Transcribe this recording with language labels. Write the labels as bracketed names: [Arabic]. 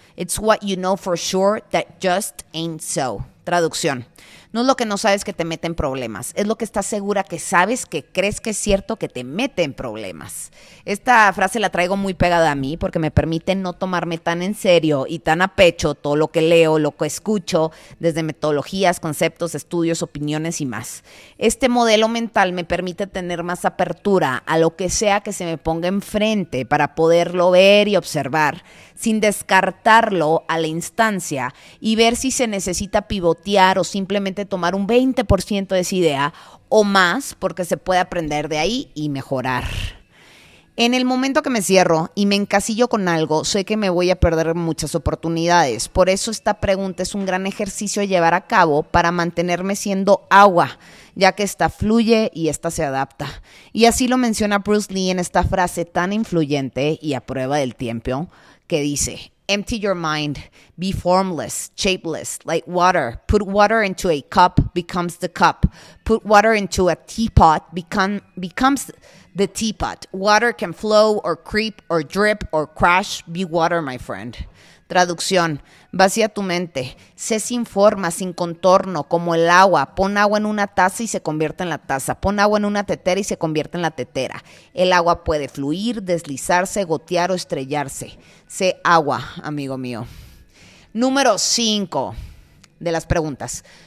[English] It's what you know for sure that just ain't so." [Spanish] Traducción: no es lo que no sabes que te mete en problemas, es lo que estás segura que sabes, que crees que es cierto que te mete en problemas. Esta frase la traigo muy pegada a mí porque me permite no tomarme tan en serio y tan a pecho todo lo que leo, lo que escucho, desde metodologías, conceptos, estudios, opiniones y más. Este modelo mental me permite tener más apertura a lo que sea que se me ponga enfrente para poderlo ver y observar sin descartarlo a la instancia y ver si se necesita pivotear o simplemente tomar un 20% de esa idea o más, porque se puede aprender de ahí y mejorar. En el momento que me cierro y me encasillo con algo, sé que me voy a perder muchas oportunidades. Por eso esta pregunta es un gran ejercicio a llevar a cabo para mantenerme siendo agua, ya que esta fluye y esta se adapta. Y así lo menciona Bruce Lee en esta frase tan influyente y a prueba del tiempo, que dice: [English] "Empty your mind, be formless, shapeless, like water. Put water into a cup, becomes the cup. Put water into a teapot, becomes the teapot. Water can flow or creep or drip or crash. Be water, my friend." [Spanish] Traducción: vacía tu mente, sé sin forma, sin contorno, como el agua. Pon agua en una taza y se convierte en la taza. Pon agua en una tetera y se convierte en la tetera. El agua puede fluir, deslizarse, gotear o estrellarse. Sé agua, amigo mío. Número 5. de las preguntas.